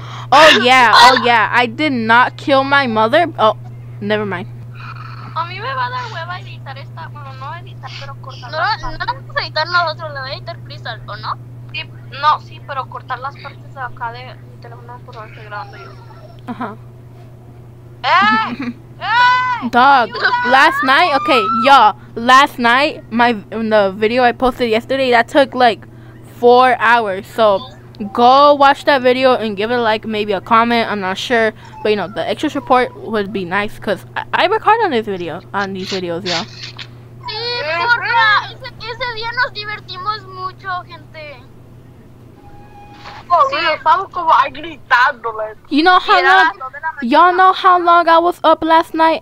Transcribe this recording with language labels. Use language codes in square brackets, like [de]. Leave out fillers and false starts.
[en] Oh, yeah. I did not kill my mother. Oh, never mind. [es] A mí me va a dar hueva editar esta, bueno, no editar, pero cortar las partes. No la vamos a editar nosotros, la va a editar Crystal, ¿o no? Sí, no, sí, pero cortar las partes de acá de mi teléfono por lo que grabando yo. Ajá. ¡Eh! [en] Dog, last night, okay, y'all, last night, the video I posted yesterday, that took like 4 hours, so... Go watch that video and give it a like, maybe a comment, I'm not sure. But you know, the extra support would be nice because I work hard on this video, on these videos, y'all. [es] Sí, porra, ese día nos divertimos mucho, gente. [en] You know how long, y'all know how long I was up last night?